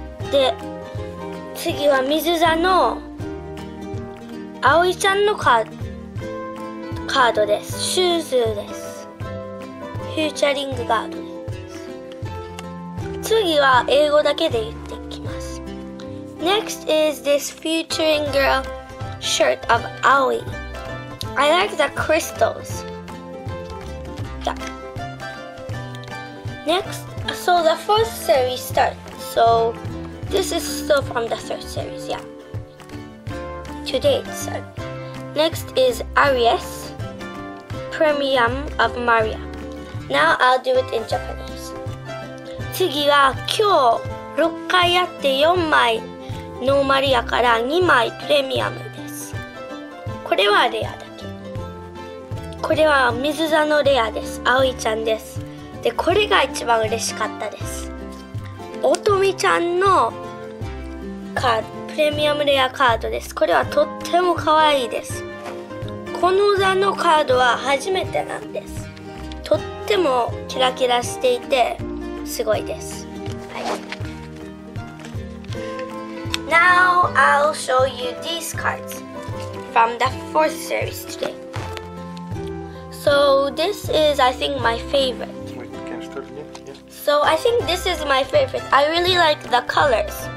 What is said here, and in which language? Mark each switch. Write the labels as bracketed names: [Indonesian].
[Japanese] で、次は水座の葵ちゃんのカードです。シューズです。フューチャリングガード。次は英語だけで言っていきます。 [English] Next is this featuring girl shirt of Aoi. I like the crystals. Next, so the fourth series starts. So this is still from the third series, yeah. Today it starts. Next is Aries, Premium of Maria. Now I'll do it in Japanese. [Japanese] 次は今日6回やって4枚ノーマルやから2枚プレミアムです。これはレアだけ。これは水座のレアです。葵ちゃんです。で、これが一番嬉しかったです。乙女ちゃんのプレミアムレアカードです。これはとっても可愛いです。この座のカードは初めてなんです。とってもキラキラしていて、すごいです。はい。 [English] Now I'll show you these cards from the fourth series today. So this is, I think, my favorite. Wait, can I start again? Yeah. So I think this is my favorite. I really like the colors.